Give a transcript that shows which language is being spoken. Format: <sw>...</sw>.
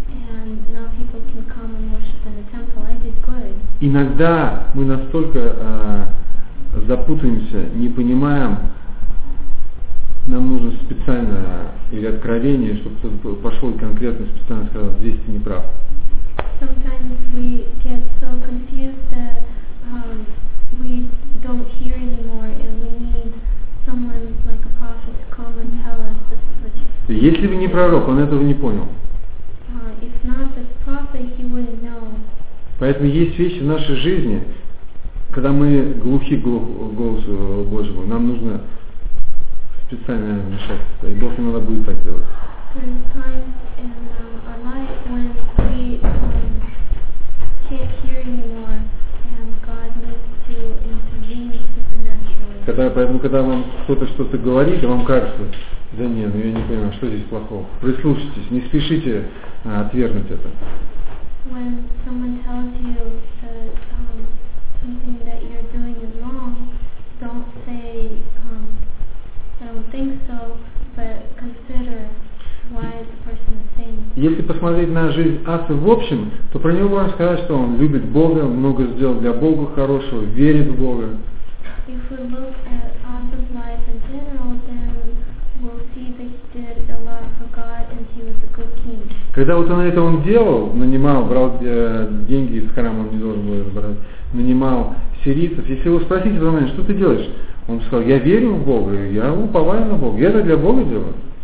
<en>And now people can come and worship in the temple. I did good.</en> <ru>Иногда мы настолько запутаемся, не понимаем. Нам нужно специально или откровение, чтобы кто-то пошел и конкретно специально сказал, здесь ты не прав.</ru> <en>Sometimes we get so confused that we don't hear anymore and we need someone like a prophet to come and tell us this is what you said.</en> <ru>Если бы не пророк, он этого не понял.</ru> <en>If not the prophet, he wouldn't know.</en> <ru>Поэтому есть вещи в нашей жизни, когда мы глухи к голосу Божьему, нам нужно специально вмешательство, и Бог иногда будет так делать.</ru> <en>There are times in our life when we can't hear anymore, and God needs to intervene supernaturally.</en> <ru>Когда вам кто-то что-то говорит, и вам кажется, да не, ну я не понимаю, что здесь плохого. Прислушайтесь, не спешите отвергнуть это.</ru> <en>When someone tells you that something that you're doing is wrong, don't say I don't think so, but consider why the person is saying.</en> <ru>Если посмотреть на жизнь Асы в общем, то про него можно сказать, что он любит Бога, много сделал для Бога хорошего, верит в Бога.</ru> <en>If we look at Asa's life in general, then we'll see that he did a lot for God and he was a good king.</en> <ru>Когда вот он это он делал, нанимал, брал деньги из храма, он не должен был их брать, нанимал сирийцев, если его спросить, он что ты делаешь? Он сказал, я верю в Бога, я уповаю на Бога, я это для Бога делаю.</ru>